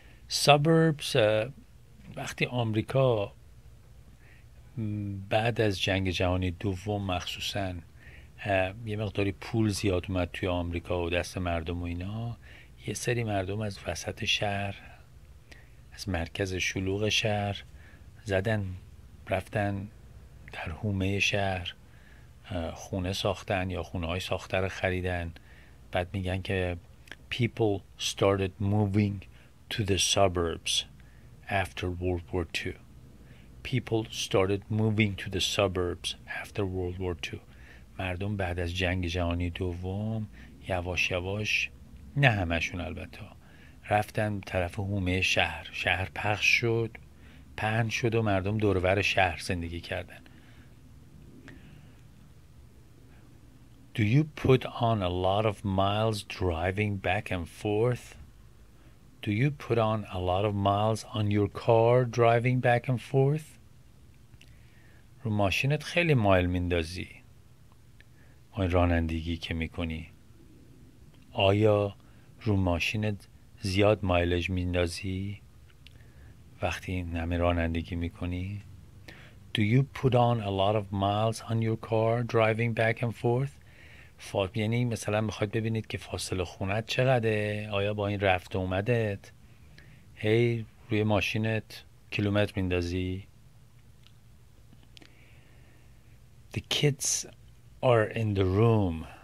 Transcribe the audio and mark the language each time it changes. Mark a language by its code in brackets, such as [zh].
[fa] Suburbs وقتی آمریکا بعد از جنگ جهانی دوم مخصوصا یه مقداری پول زیاد اومد توی آمریکا و دست مردم و اینا، یه سری مردم از وسط شهر، از مرکز شلوغ شهر زدن رفتن در حومه شهر، خونه ساختن یا خونه های ساخته رو خریدن. بعد میگن که [en] people started moving to the suburbs after World War II. People started moving to the suburbs after World War II. [fa] مردم بعد از جنگ جهانی دوم یواش یواش، نه همشون البته، رفتن طرف حومه شهر. شهر پخش شد، پهن شد و مردم دورور شهر زندگی کردن. [en] Do you put on a lot of miles driving back and forth? Do you put on a lot of miles on your car driving back and forth? [fa] رو ماشینت خیلی مایل میندازی اون رانندگی که میکنی؟ آیا رو ماشینت زیاد مایلش میندازی وقتی نمی رانندگی میکنی؟ [en] Do you put on a lot of miles on your car driving back and forth؟ [fa] یعنی مثلا میخواید ببینید که فاصله خونت چقدره، آیا با این رفت اومدت هی روی ماشینت کیلومتر میندازی؟ [en] The kids are in the room.